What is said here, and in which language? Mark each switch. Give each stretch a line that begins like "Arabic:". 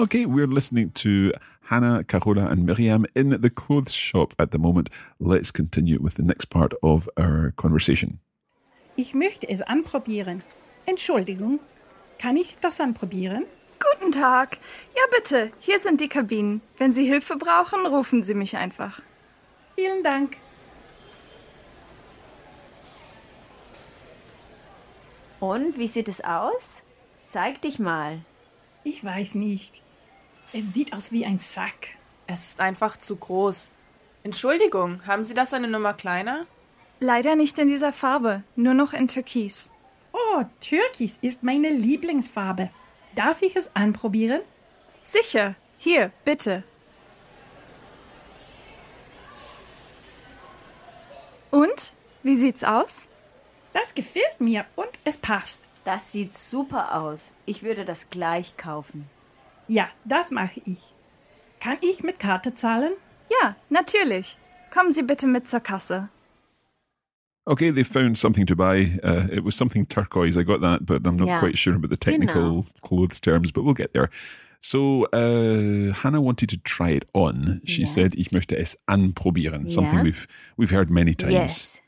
English: Okay, we're listening to Hannah, Carola and Miriam in the clothes shop at the moment. Let's continue with the next part of our conversation.
German: Ich möchte es anprobieren. Entschuldigung, kann ich das anprobieren? Guten Tag. Ja, bitte, hier sind die Kabinen. Wenn Sie Hilfe brauchen, rufen Sie mich einfach. Vielen Dank. Und wie sieht es aus? Zeig dich mal. Ich weiß nicht. Es sieht aus wie ein Sack. Es ist einfach zu groß. Entschuldigung, haben Sie das eine Nummer kleiner? Leider nicht in dieser Farbe, nur noch in Türkis. Oh, Türkis ist meine Lieblingsfarbe. Darf ich es anprobieren? Sicher. Hier, bitte. Und, wie sieht's aus? Das gefällt mir und es passt. Das sieht super aus. Ich würde das gleich kaufen. Ja, das mache ich. Kann ich mit Karte zahlen? Ja, natürlich. Kommen Sie bitte mit zur Kasse.
English: Okay, they found something to buy. It was something turquoise, I got that, but I'm not quite sure about the technical clothes terms, but we'll get there. So, Hannah wanted to try it on. She said,
German: ich möchte es anprobieren,
English: something we've heard many times.